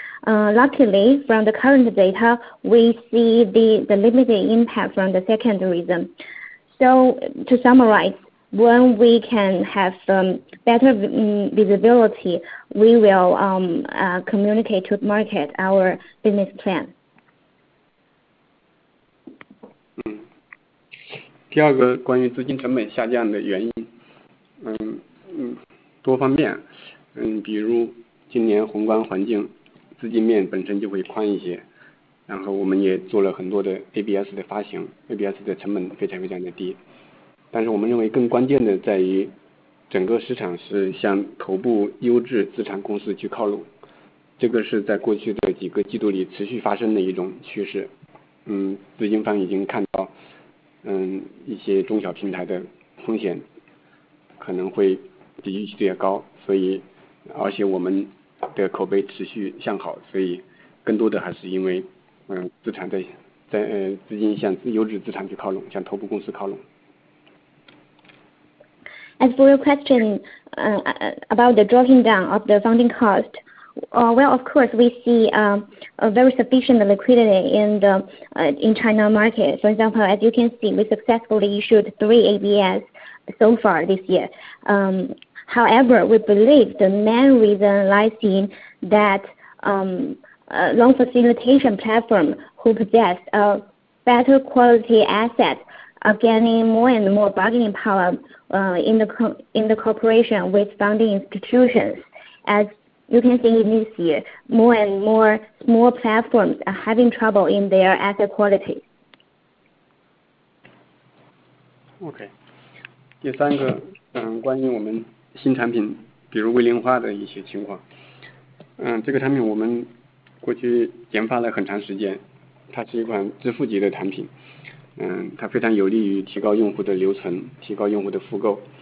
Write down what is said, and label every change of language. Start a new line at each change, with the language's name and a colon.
English: Luckily, from the current data, we see the limited impact from the second reason. So, to summarize, when we can have better visibility, we will communicate to the market our business plan.
Chinese: 第二个关于资金成本下降的原因，多方面，比如今年宏观环境资金面本身就会宽一些，然后我们也做了很多的 ABS 的发行， ABS 的成本非常非常的低，但是我们认为更关键的在于整个市场是向头部优质资产公司去靠拢，这个是在过去的几个季度里持续发生的一种趋势。资金方已经看到一些中小平台的风险可能会比预期的高，所以而且我们的口碑持续向好，所以更多的还是因为资产在资金向优质资产去靠拢，向头部公司靠拢。
English: As for your question about the dropping down of the funding cost, well, of course, we see a very sufficient liquidity in China market. For example, as you can see, we successfully issued 3 ABS so far this year. However, we believe the main reason lies in that loan facilitation platform who possess a better quality asset are gaining more and more bargaining power in the cooperation with funding institutions. As you can see in this year, more and more small platforms are having trouble in their asset quality. Okay.
Chinese: 第三个，关于我们新产品，比如微龄化的一些情况。这个产品我们过去研发了很长时间，它是一款支付级的产品。它非常有利于提高用户的留存，提高用户的复购。